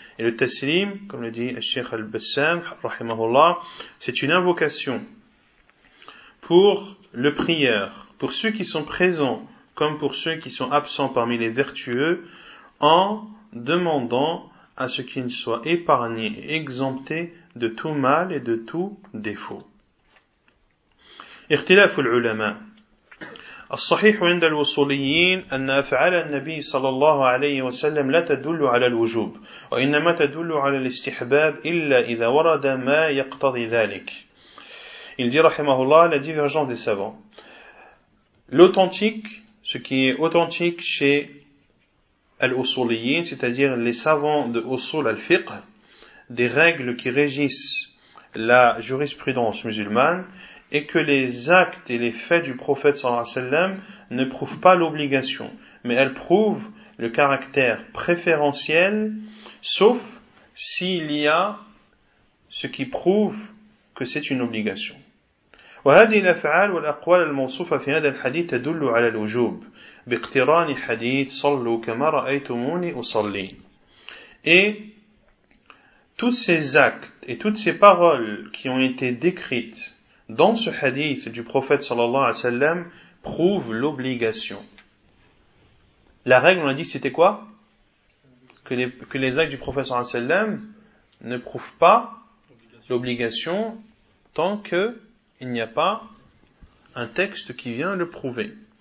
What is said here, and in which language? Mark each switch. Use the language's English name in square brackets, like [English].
[French] Et le taslim, comme le dit Cheikh Al-Bassam, rahimahullah, c'est une invocation pour le prieur, pour ceux qui sont présents, comme pour ceux qui sont absents parmi les vertueux, en demandant à ce qu'ils soient épargnés, exemptés de tout mal et de tout défaut. [Arabic] Ikhtilaf ul-ulama. الصحيح عند الوصوليين أن أفعال النبي صلى الله عليه وسلم لا تدل على الوجوب وإنما تدل على الاستحباب إلا إذا ورد ما يقتضي ذلك. [French] Il dit رحمه الله la divergence des savants. L'authentique, ce qui est authentique chez الوصوليين, c'est-à-dire les savants de أصول الفقه, des règles qui régissent la jurisprudence musulmane, et que les actes et les faits du prophète sallallahu alayhi wa sallam ne prouvent pas l'obligation, mais elles prouvent le caractère préférentiel, sauf s'il y a ce qui prouve que c'est une obligation. [Arabic] وهذه الأفعال والأقوال الموصوفة في هذا الحديث تدل على الوجوب باقتران حديث صلوا كما رأيتموني أصلي. [French] Et tous ces actes et toutes ces paroles qui ont été décrites dans ce hadith du prophète sallallahu alayhi wa sallam prouve l'obligation. La règle, on a dit, c'était quoi? Que les actes du prophète sallallahu alayhi wa sallam ne prouvent pas l'obligation tant qu'il n'y a pas un texte qui vient le prouver.